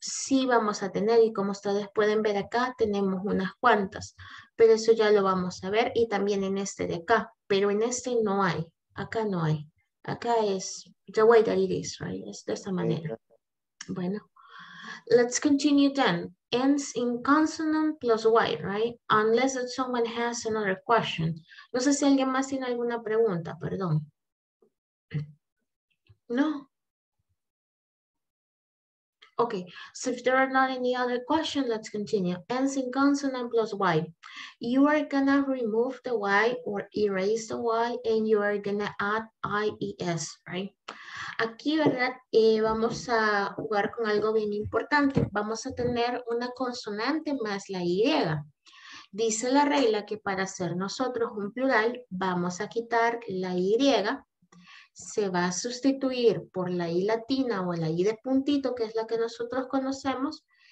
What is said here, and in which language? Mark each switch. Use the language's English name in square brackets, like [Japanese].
[Spanish] sí vamos a tener, y como ustedes pueden ver acá, tenemos unas cuantas, pero eso ya lo vamos a ver, y también en este de acá, pero en este no hay, acá no hay, acá es [English] the way that it is, [Spanish] right? Es de esta manera. [English] Bueno, let's continue then. Ends in consonant plus Y, right? Unless that someone has another question. [Spanish] No sé si alguien más tiene alguna pregunta, perdón. No. [English] Okay, so if there are not any other questions, let's continue. Ends in consonant plus Y. You are gonna remove the Y or erase the Y and you are gonna add IES, right? [Spanish] Aquí, ¿verdad? Vamos a jugar con algo bien importante. Vamos a tener una consonante más la Y. Dice la regla que para ser nosotros un plural, vamos a quitar la Y. Se va a sustituir por la I latina o la I de puntito, que es la que nosotros conocemos.